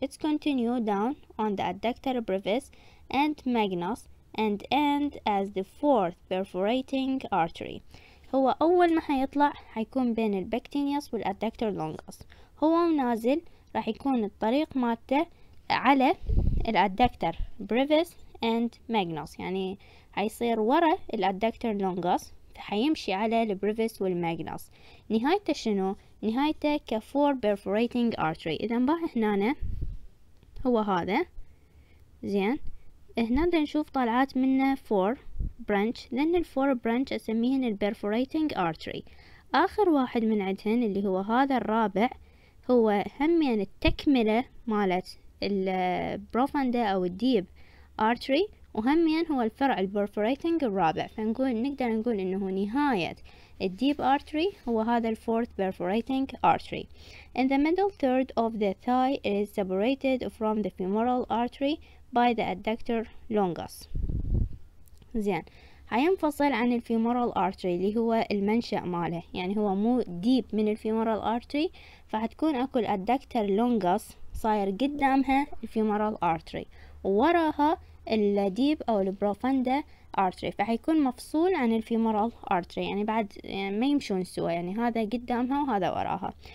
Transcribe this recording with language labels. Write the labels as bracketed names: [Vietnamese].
[English] It's continue down on the adductor brevis and magnus and end as the fourth perforating artery. [Arabic] هو أول ما هيطلع هيكون بين البكتينيوس والأدكتر لونجوس. هو نازل راح يكون الطريق مالته على الأدكتر بريفيس [English] and magnus، [Arabic] يعني هيصير ورا الأدكتر لونجوس، هيمشي على البريفيس والماجنوس. نهايته شنو؟ نهايته كفور perforating artery. إذا با هنا هو هذا زين، هنا نشوف طالعات منه فور برانش، لأن الفور برانش أسميهن perforating artery. آخر واحد من عدهن اللي هو هذا الرابع هو هم يعني التكملة مالت البروفاندا أو الديب artery، وهمين هو الفرع البرفوريتنج الرابع. فنقول نقدر نقول انه نهاية الديب artery هو هذا الفورث برفوريتنج artery. [English] In the middle third of the thigh it is separated from the femoral artery by the adductor longus. [Arabic] زين، هينفصل عن الفيمورال artery اللي هو المنشأ ماله، يعني هو مو ديب من الفيمورال artery، فهتكون اكو الادكتر لونجس صاير قدامها الفيمورال artery، وراها الديب او البروفاندا artery، فهيكون مفصول عن الفيمورال artery، يعني بعد يعني ما يمشون سوا، يعني هذا قدامها وهذا وراها.